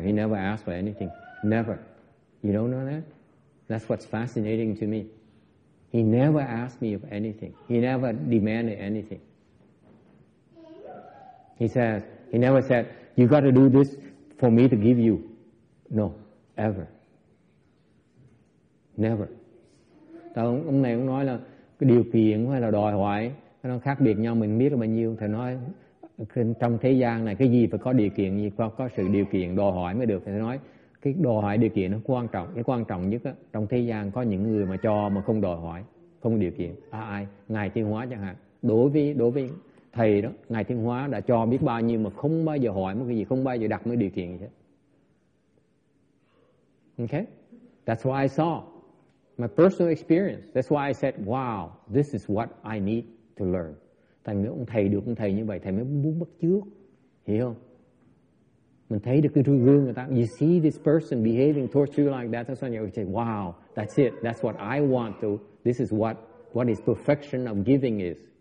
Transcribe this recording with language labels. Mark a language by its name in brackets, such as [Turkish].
[English] He never asked for anything. Never. You don't know that? That's what's fascinating to me. He never asked me of anything. He never demanded anything. He never said, you got to do this for me to give you. No, ever. Never. [Vietnamese] Ông này cũng nói là cái điều kiện hay là đòi hỏi nó khác biệt nhau, mình biết là bao nhiêu. Thầy nói trong thế gian này cái gì phải có điều kiện, gì có sự điều kiện đòi hỏi mới được. Thầy nói cái đòi hỏi điều kiện nó quan trọng, cái quan trọng nhất đó, trong thế gian có những người mà cho mà không đòi hỏi, không điều kiện. À, ai? Ngài Thiên Hóa chẳng hạn. Đối với thầy đó, Ngài Thiên Hóa đã cho biết bao nhiêu mà không bao giờ hỏi một cái gì, không bao giờ đặt một điều kiện gì hết. [English] Ok, that's what I saw. My personal experience. That's why I said, wow, this is what I need to learn. [Vietnamese] Tại vì ông thầy được ông thầy như vậy, thầy mới muốn bắt chước. Hiểu không? Mình thấy được cái gương người ta. [English] You see this person behaving towards you like that. That's when you say, wow, that's it. That's what I want to. This is what is perfection of giving is.